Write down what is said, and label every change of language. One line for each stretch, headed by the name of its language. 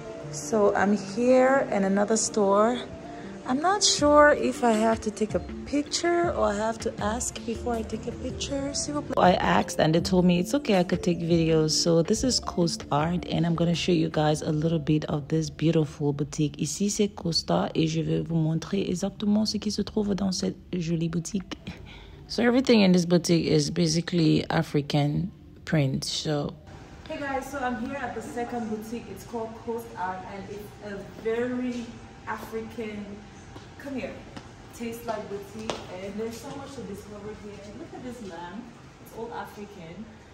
English: So I'm here in another store. I'm not sure if I have to take a picture or I have to ask before I take a picture. I asked and they told me it's okay, I could take videos. So this is Coast Art, and I'm going to show you guys a little bit of this beautiful boutique.
French: Ici c'est Coast Art et je vais vous montrer exactement ce qui se trouve dans cette jolie boutique.
English: So everything in this boutique is basically African print. So hey guys, so I'm here at the second boutique. It's called Coast Art, and it's a very African, come here, taste like boutique. And there's so much to discover here. Look at this lamp. It's all African.